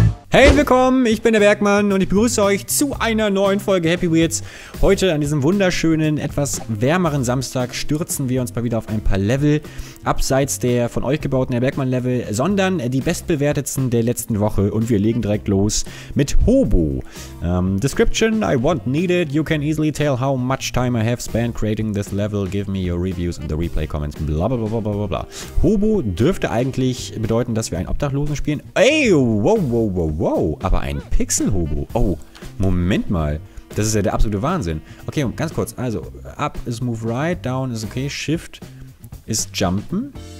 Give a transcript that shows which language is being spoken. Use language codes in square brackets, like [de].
[de] Hey, willkommen, ich bin der Bergmann und ich begrüße euch zu einer neuen Folge Happy Wheels. Heute an diesem wunderschönen, etwas wärmeren Samstag stürzen wir uns mal wieder auf ein paar Level, abseits der von euch gebauten Herr Bergmann Level, sondern die bestbewertetsten der letzten Woche und wir legen direkt los mit Hobo. [en] Description, I won't need it, you can easily tell how much time I have spent creating this level, give me your reviews in the replay comments, bla bla bla bla bla bla. [de] Hobo dürfte eigentlich bedeuten, dass wir einen Obdachlosen spielen. Ey, wow, wow, wow. Wow, aber ein Pixel-Hobo. Oh, Moment mal. Das ist ja der absolute Wahnsinn. Okay, ganz kurz. Also, up ist move right, down ist okay, shift ist jumpen.